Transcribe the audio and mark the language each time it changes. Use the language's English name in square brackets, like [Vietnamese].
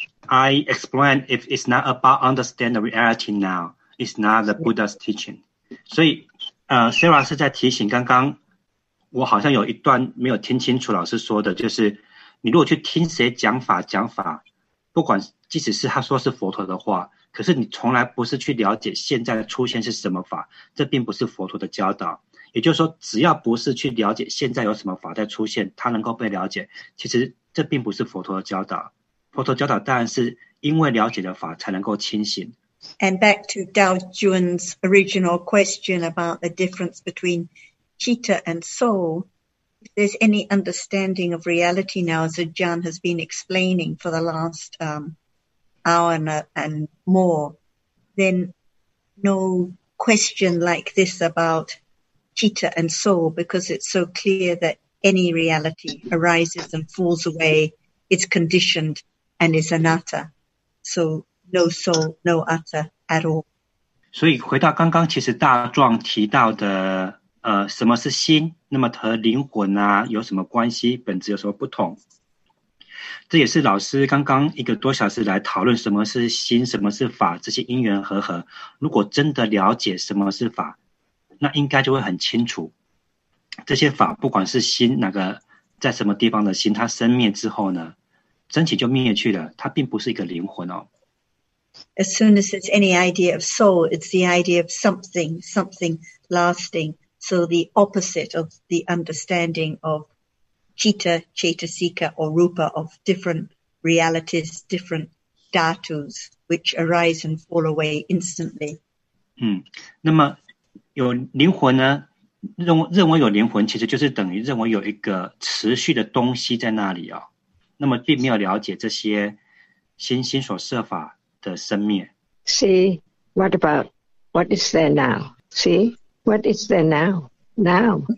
[English] I explained if it's not about understanding the reality now, it's not the Buddha's teaching. [Chinese] So, Sarah 是在提醒刚刚我好像有一段没有听清楚老师说的，就是你如果去听谁讲法，不管即使是他说是佛陀的话，可是你从来不是去了解现在的出现是什么法，这并不是佛陀的教导。也就是说，只要不是去了解现在有什么法在出现，它能够被了解，其实这并不是佛陀的教导。佛陀教导当然是因为了解的法才能够清醒。 [English] And back to Dao Jun's original question about the difference between citta and soul, if there's any understanding of reality now, as Ajahn has been explaining for the last hour and more, then no question like this about citta and soul, because it's so clear that any reality arises and falls away, it's conditioned and is anatta. So no soul, no atta at all. [Chinese] 所以回到刚刚其实大壮提到的什么是心，那么和灵魂啊有什么关系，本质有什么不同，这也是老师刚刚一个多小时来讨论什么是心，什么是法，这些因缘和合，如果真的了解什么是法，那应该就会很清楚这些法不管是心哪个在什么地方的心，它生灭之后呢，升起就灭去了，它并不是一个灵魂哦。 [English] As soon as there's any idea of soul, it's the idea of something lasting, So the opposite of the understanding of citta, cetasika, or rupa, of different realities, different dhatus, which arise and fall away instantly. [Chinese] 那么有灵魂呢？认为有灵魂，其实就是等于认为有一个持续的东西在那里哦。那么并没有了解这些心所设法的生灭。 [English] See, what about what is there now? See, what is there now? Now.